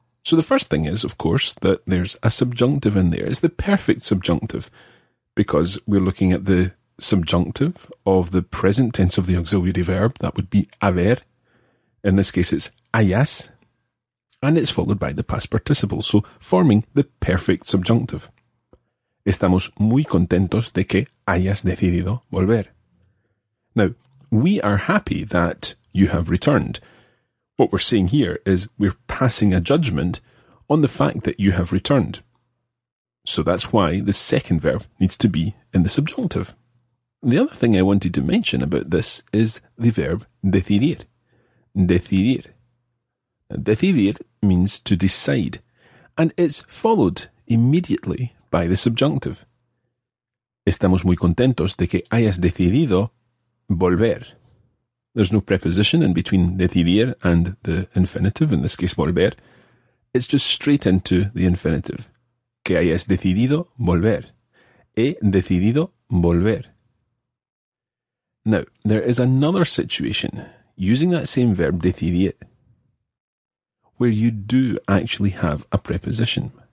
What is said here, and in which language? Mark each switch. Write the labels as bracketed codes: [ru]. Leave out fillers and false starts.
[en] So the first thing is, of course, that there's a subjunctive in there. It's the perfect subjunctive, because we're looking at the subjunctive of the present tense of the auxiliary verb. That would be haber. In this case, it's hayas. And it's followed by the past participle, so forming the perfect subjunctive. [es] Estamos muy contentos de que hayas decidido volver. [en] Now, we are happy that you have returned. What we're saying here is we're passing a judgment on the fact that you have returned. So that's why the second verb needs to be in the subjunctive. The other thing I wanted to mention about this is the verb decidir. Decidir. Decidir means to decide. and it's followed immediately by the subjunctive. [es] Estamos muy contentos de que hayas decidido volver. [en] There's no preposition in between decidir and the infinitive, in this case volver. It's just straight into the infinitive. [es] Que hayas decidido volver. He decidido volver. [en] Now, there is another situation, using that same verb, decidir, where you do actually have a preposition.